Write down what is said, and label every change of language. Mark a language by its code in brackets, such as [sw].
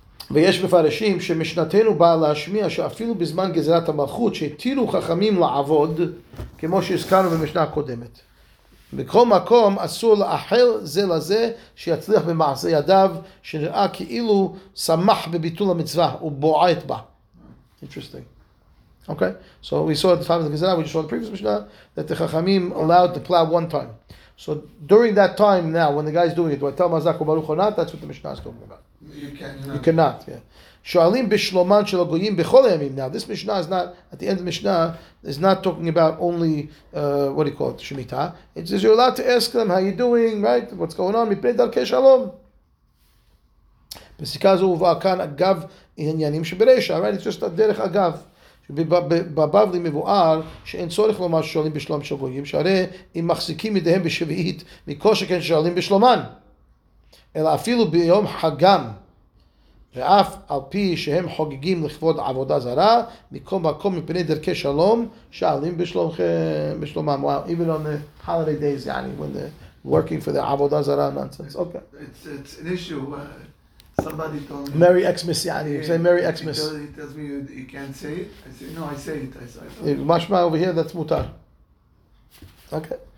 [he] ויש מפרשים שמשנתנו באה להשמיע שאפילו בזמן גזרת המלכות שהתירו חכמים לעבוד כמו שהזכרנו במשנה הקודמת. בכל מקום אסור לאחל זה לזה שיצליח במעשה ידיו שנראה כאילו שמח בביטול המצווה ובועט בה. [en] Interesting. Okay, so we saw at the time of the Gezerah, we just saw the previous Mishnah, that the Chachamim allowed to plow one time. So during that time now, when the guy's doing it, do I tell Mazak or Baruch or not? That's what the Mishnah is talking about. You cannot, yeah. Shoalim b'shloman shel goyim b'chol hayamim. Now, this Mishnah is not, at the end of the Mishnah, is not talking about only, what do you call it, Shemitah. It says you're allowed to ask them, how you doing, right? What's going on? Mipnei darkei shalom. [he] בסיכה הזו הובאה כאן אגב עניינים שברשע, right? It's just a דרך אגב. בבבלי מבואר שאין צורך לומר ששואלים בשלום של גויים, שהרי אם מחזיקים מדיהם בשביעית, מכל שכן ששואלים בשלומן. אלא אפילו ביום חגם, ואף על פי שהם חוגגים לכבוד עבודה זרה, מכל מקום מפני דרכי שלום, שואלים בשלומם. [en] Wow, even on the holiday days, yani, when they're working for the עבודה זרה nonsense. Okay. It's an issue. Somebody told me. Merry Xmas, yani. You say Merry Xmas. He tells me you can't say it. I say, no, I say it. Mashma over here, that's mutar. Okay.